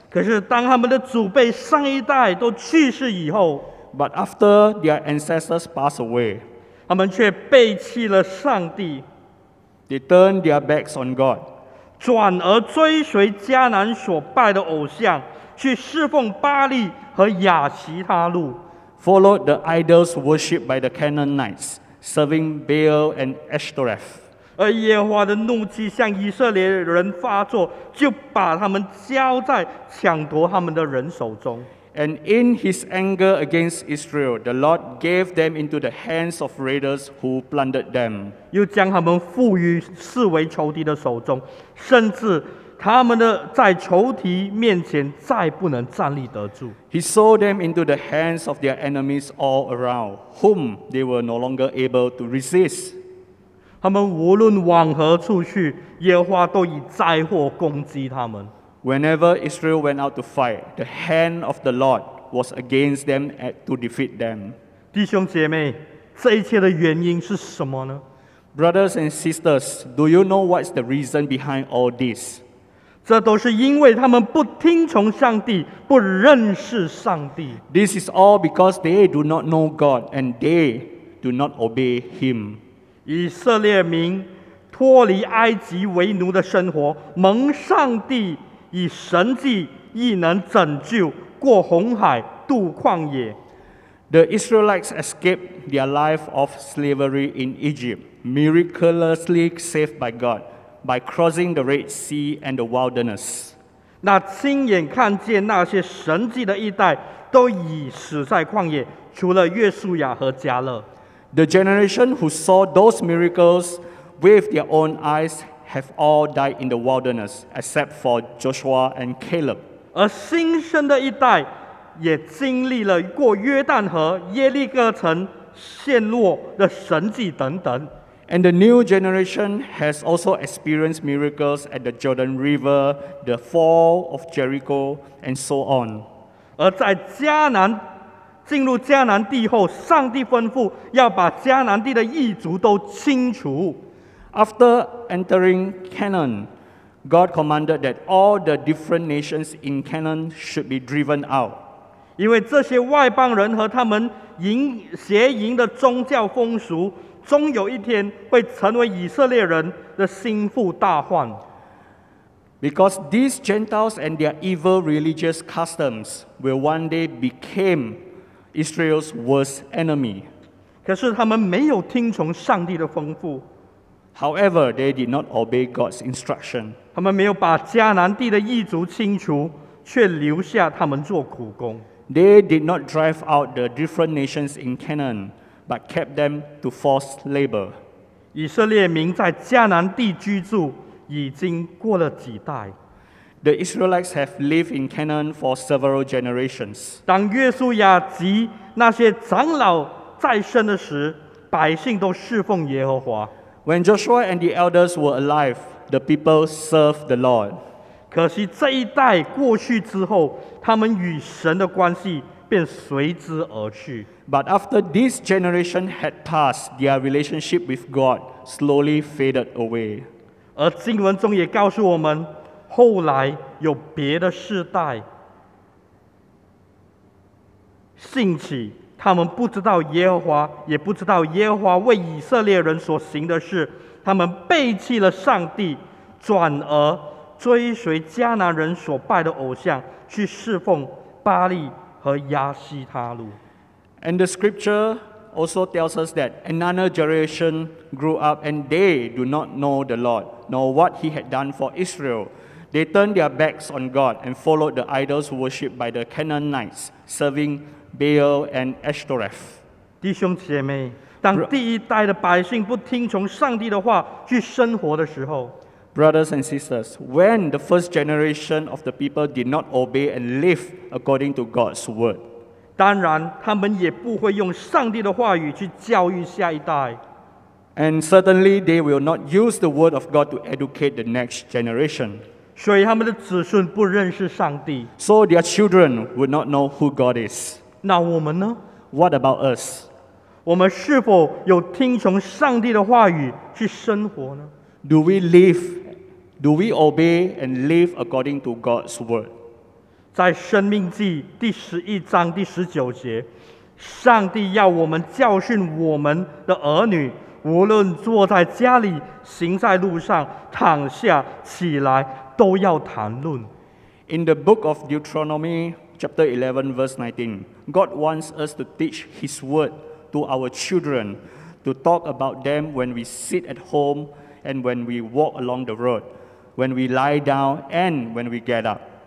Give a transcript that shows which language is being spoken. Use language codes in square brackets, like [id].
[zh] 可是当他们的祖辈上一代都去世以后 [en] But after their ancestors passed away [zh] 他们却背弃了上帝 [en] They turned their backs on God [zh] 转而追随迦南所拜的偶像去侍奉巴利和亚其他路 [en] Followed the idols worshipped by the Canaanites Serving Baal and Ashtoreth [zh] 而耶和华的怒气向以色列人发作，就把他们交在抢夺他们的人手中。 [en] And in his anger against Israel, the Lord gave them into the hands of raiders who plundered them. [zh] 又将他们赋予视为仇敌的手中，甚至他们的在仇敌面前再不能站立得住。 [en] He sold them into the hands of their enemies all around, whom they were no longer able to resist. [zh] 他们无论往何处去，耶和华都以灾祸攻击他们。 [en] Whenever Israel went out to fight, the hand of the Lord was against them to defeat them. [zh] 弟兄姐妹，这一切的原因是什么呢 [en] ？Brothers and sisters, do you know what's the reason behind all this? [zh] 这都是因为他们不听从上帝，不认识上帝。 [en] This is all because they do not know God and they do not obey Him. [zh] 以色列民脱离埃及为奴的生活，蒙上帝以神迹亦能拯救，过红海，渡旷野。 [en] The Israelites escaped their life of slavery in Egypt, miraculously saved by God, by crossing the Red Sea and the wilderness. [zh] 那亲眼看见那些神迹的一代，都已死在旷野，除了约书亚和加勒。 [en] The generation who saw those miracles with their own eyes have all died in the wilderness, except for Joshua and Caleb. [zh] 而新生的一代也经历了过约旦河、耶利哥城陷落的神迹等等。 [en] And the new generation has also experienced miracles at the Jordan River, the fall of Jericho, and so on. [zh] 而在迦南进入迦南地后，上帝吩咐要把迦南地的异族都清除。 [en] After entering Canaan, God commanded that all the different nations in Canaan should be driven out. [zh] 因为这些外邦人和他们邪淫的宗教风俗，终有一天会成为以色列人的心腹大患。 [en] Because these Gentiles and their evil religious customs will one day becomeIsrael's worst enemy. [zh] 可是他们没有听从上帝的吩咐。 [en] However, they did not obey God's instruction. [zh] 他们没有把迦南地的异族清除，却留下他们做苦工。 [en] They did not drive out the different nations in Canaan, but kept them to forced labor. [zh] 以色列民在迦南地居住已经过了几代。 [en] The Israelites have lived in Canaan for several generations. [zh] 当约书亚及那些长老在身的时，百姓都侍奉耶和华。 [en] When Joshua and the elders were alive, the people served the Lord. [zh] 可惜这一代过去之后，他们与神的关系便随之而去。 [en] But after this generation had passed, their relationship with God slowly faded away. [zh] 而经文中也告诉我们。后来有别的世代兴起，他们不知道耶和华，也不知道耶和华为以色列人所行的事。他们背弃了上帝，转而追随迦南人所拜的偶像，去侍奉巴利和亚西他路。 [en] And the scripture also tells us that another generation grew up and they do not know the Lord, nor what he had done for Israel. They turned their backs on God and followed the idols worshipped by the Canaanites, servingBaal and Ashtoreth. [zh] 弟兄姐妹，当第一代的百姓不听从上帝的话去生活的时候， [en] Brothers and sisters, when the first generation of the people did not obey and live according to God's word, [zh] 当然他们也不会用上帝的话语去教育下一代。 [en] And certainly they will not use the word of God to educate the next generation. [zh] 所以他们的子孙不认识上帝。 [en] So their children would not know who God is. [zh] 那我们呢？ [en] What about us? [zh] 我们是否有听从上帝的话语去生活呢？ [en] Do we live? Do we obey and live according to God's word? [zh] 在生命记第十一章第十九节，上帝要我们教训我们的儿女，无论坐在家里、行在路上、躺下、起来，都要谈论。 [en] In the book of Deuteronomy, chapter 11, verse 19,God wants us to teach His word to our children, to talk about them when we sit at home and when we walk along the road, when we lie down and when we get up.